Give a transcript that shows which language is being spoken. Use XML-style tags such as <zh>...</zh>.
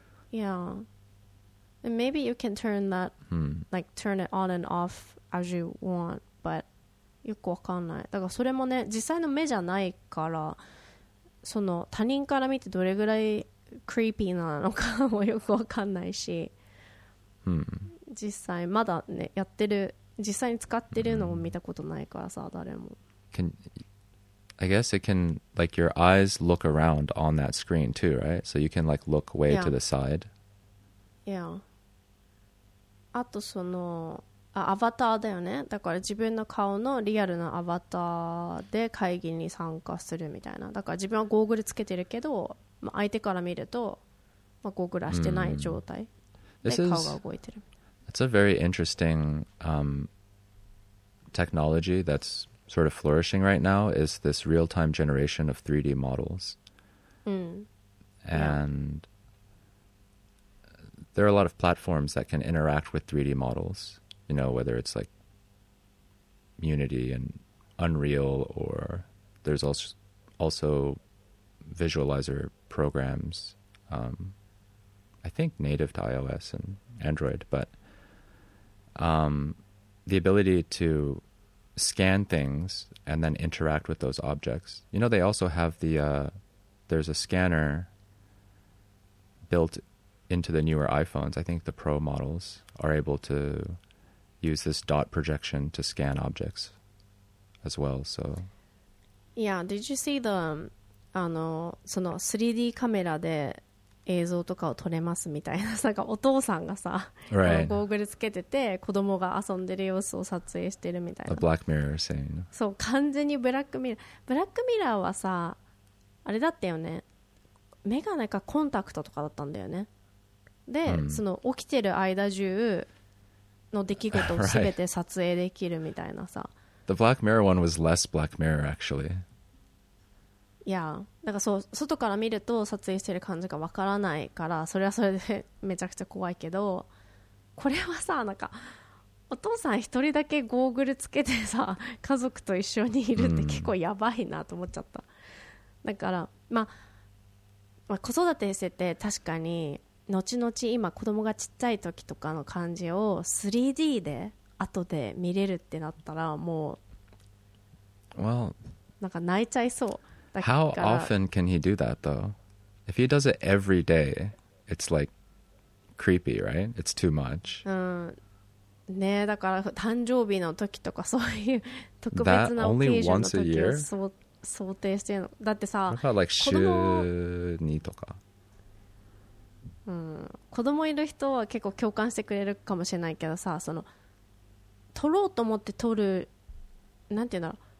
<en>Yeah. And maybe you can turn that, like turn it on and off as you want, but</en> <ja>よくわかんない。だからそれもね、実際の目じゃないから、その他人から見てどれぐらいcreepy なのかもよくわかんないし、実際まだねやってる実際に使ってるのも見たことないからさ、誰も。</ja> <en>Can I guess it can like your eyes look around on that screen too, right? So you can like look way to the side. Yeah.</en> <ja>あとそのアバターだよね。だから自分の顔のリアルなアバターで会議に参加するみたいな。だから自分はゴーグルつけてるけど。まあ、相手から見ると、まあ、ゴーグラしてない状態で顔が動いてる。</ja> <en>It's a very interesting technology that's sort of flourishing right now is this real-time generation of 3D models. And there are a lot of platforms that can interact with 3D models, you know, whether it's like Unity and Unreal or there's also Visualizer programs, I think native to iOS and Android, but the ability to scan things and then interact with those objects. You know, they also have the, there's a scanner built into the newer iPhones. I think the Pro models are able to use this dot projection to scan objects as well, so. Yeah, did you see the...</en> <ja>あのその 3D カメラで映像とかを撮れますみたいな、なんかお父さんがさ、</ja> <en>right.</en> <ja>ゴーグルつけてて子供が遊んでる様子を撮影してるみたいな。</ja> <en>A Black Mirror scene.</en> <ja>そう、完全にブラックミラー。ブラックミラーはさ、あれだったよね。メガネかコンタクトとかだったんだよね。で、その起きてる間中の出来事をすべて撮影できるみたいなさ。</ja> <en>Right. The Black Mirror one was less Black Mirror actually.</en> <ja>いや、だからそう外から見ると撮影してる感じがわからないからそれはそれでめちゃくちゃ怖いけど、これはさ、なんかお父さん一人だけゴーグルつけてさ家族と一緒にいるって結構やばいなと思っちゃった。だから、まあ、子育てしてて確かに後々今子供がちっちゃい時とかの感じを 3D で後で見れるってなったらもう、</ja> <en>well.</en> <ja>なんか泣いちゃいそう。</ja> <en>How often can he do that, though? If he does it every day, it's like creepy, right? It's too much.</en> <ja>ね、だから誕生日の時とかそういう特別な</ja> <en>オケーション</en> <ja>の時を想定してるの。だってさ、</ja> <en>What about like</en> <ja>週にとか。子供いる人は結構共感してくれるかもしれないけどさ、その撮ろうと思って撮る、なんていうんだろう。</ja>